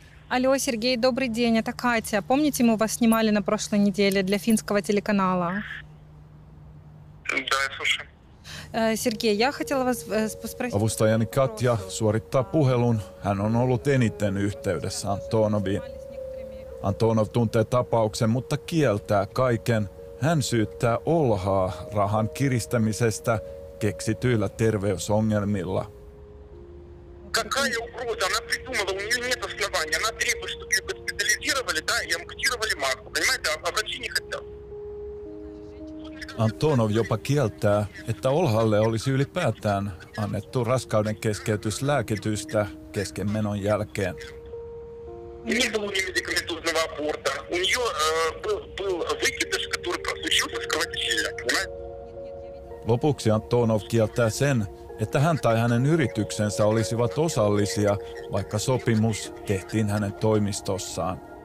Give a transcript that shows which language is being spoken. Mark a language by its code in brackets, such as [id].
[ru] Алло, Сергей, добрый день, это Катя. Помните, мы вас снимали на прошлой неделе для финского телеканала? Да, я слушаю. Сергей, я хотела вас спросить... [fi] Avustajani Katja suorittaa puhelun. Hän on ollut eniten yhteydessä Antonoviin. Antonov tuntee tapauksen, mutta kieltää kaiken. Hän syyttää Olhaa rahan kiristämisestä keksityillä terveysongelmilla. [ru] Какая угроза? Она придумала, у нее нет оснований. Она требует, чтобы ее госпитализировали, да, и ампутировали матку. Понимаете, а врачи не хотят. [fi] Антонов jopa kieltää, että Olhalle olisi ylipäätään annettu raskauden keskeytyslääkitystä keskenmenon jälkeen. [ru] Не было у нее медикаментозного аборта. У нее был выкидыш, который просучился с кровотечением, понимаете? [fi] Lopuksi Antonov kieltää sen, että hän tai hänen yrityksensä olisivat osallisia, vaikka sopimus tehtiin hänen toimistossaan.